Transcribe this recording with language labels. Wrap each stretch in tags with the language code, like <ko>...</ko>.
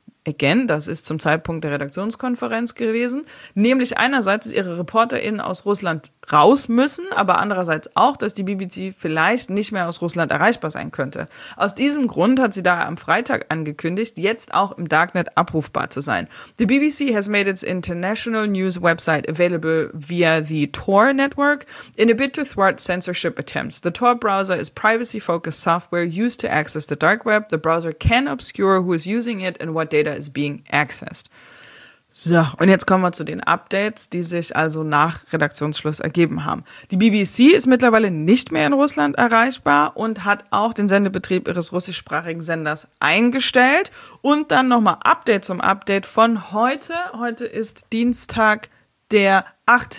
<de>Again, das ist zum Zeitpunkt der Redaktionskonferenz gewesen, nämlich einerseits, dass ihre ReporterInnen aus Russland raus müssen, aber andererseits auch, dass die BBC vielleicht nicht mehr aus Russland erreichbar sein könnte. Aus diesem Grund hat sie daher am Freitag angekündigt, jetzt auch im Darknet abrufbar zu sein.</de> <en>The BBC has made its international news website available via the Tor network in a bid to thwart censorship attempts. The Tor browser is privacy-focused software used to access the dark web. The browser can obscure who is using it and what data is being accessed.</en> <de>So, und jetzt kommen wir zu den Updates, die sich also nach Redaktionsschluss ergeben haben. Die BBC ist mittlerweile nicht mehr in Russland erreichbar und hat auch den Sendebetrieb ihres russischsprachigen Senders eingestellt. Und dann nochmal Update zum Update von heute. Heute ist Dienstag, der 8.</de>